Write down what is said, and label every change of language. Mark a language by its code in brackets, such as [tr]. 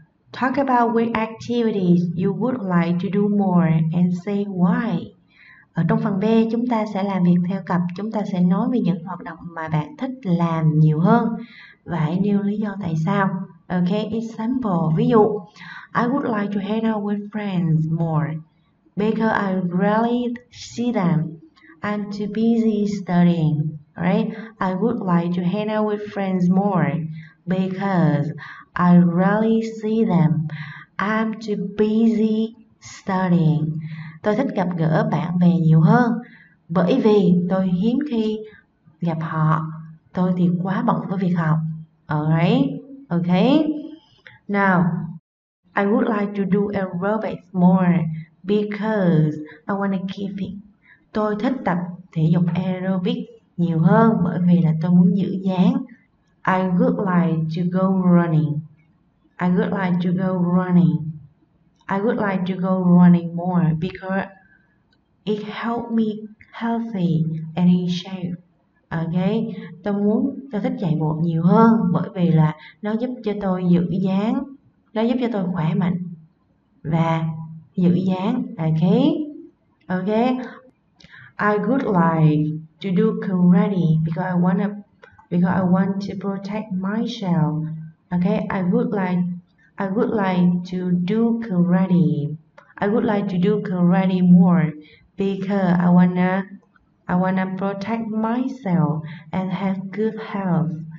[en] Talk about which activities you would like to do more and say why. [vi] Ở trong phần B, chúng ta sẽ làm việc theo cặp. Chúng ta sẽ nói về những hoạt động mà bạn thích làm nhiều hơn và hãy nêu lý do tại sao. [en] Ok, example, [vi] ví dụ, [en] I would like to hang out with friends more because I rarely see them. I'm too busy studying, right? I would like to hang out with friends more because I rarely see them. I'm too busy studying. [vi] Tôi thích gặp gỡ bạn bè nhiều hơn bởi vì tôi hiếm khi gặp họ. Tôi thì quá bận với việc học. [en] Alright, okay. Now, I would like to do aerobics more because I want to keep fit. [vi] Tôi thích tập thể dục aerobic nhiều hơn bởi vì là tôi muốn giữ dáng. [en] I would like to go running. I would like to go running. I would like to go running more because it helps me healthy and in shape. [vi] Okay, tôi muốn tôi thích chạy bộ nhiều hơn bởi vì là nó giúp cho tôi giữ dáng, nó giúp cho tôi khỏe mạnh và giữ dáng. [en] Okay. I would like to do karate because I want to protect myself. I would like to do karate. I would like to do karate more because I wanna protect myself and have good health.